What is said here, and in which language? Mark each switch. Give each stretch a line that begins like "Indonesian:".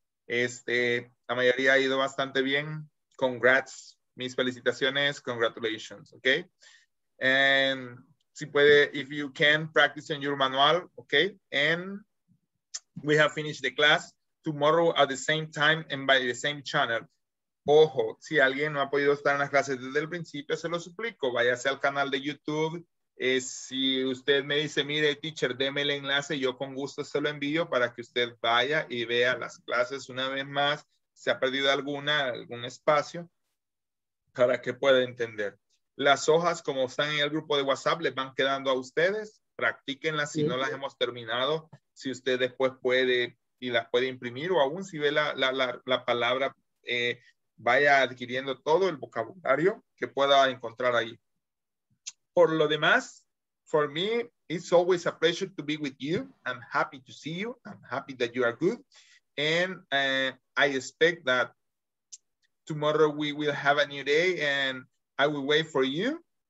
Spanish: La mayoría ha ido bastante bien.
English: Congrats,
Spanish: mis felicitaciones,
English: congratulations, okay? And
Spanish: si puede,
English: if you can, practice in your manual, okay? And we have finished the class tomorrow at the same time and by the same channel.
Spanish: Ojo, si alguien no ha podido estar en las clases desde el principio, se lo suplico, váyase al canal de YouTube. Si usted me dice, mire, teacher, deme el enlace, yo con gusto se lo envío para que usted vaya y vea las clases una vez más. Se ha perdido algún espacio para que pueda entender. Las hojas, como están en el grupo de WhatsApp, les van quedando a ustedes. Practíquenlas si no las hemos terminado. Si usted después puede y las puede imprimir o aún si ve la palabra, vaya adquiriendo todo el vocabulario que pueda encontrar ahí. Por lo demás,
English: for me, it's always a pleasure to be with you. I'm happy to see you. I'm happy that you are good. And I expect that tomorrow we will have a new day and I will wait for you.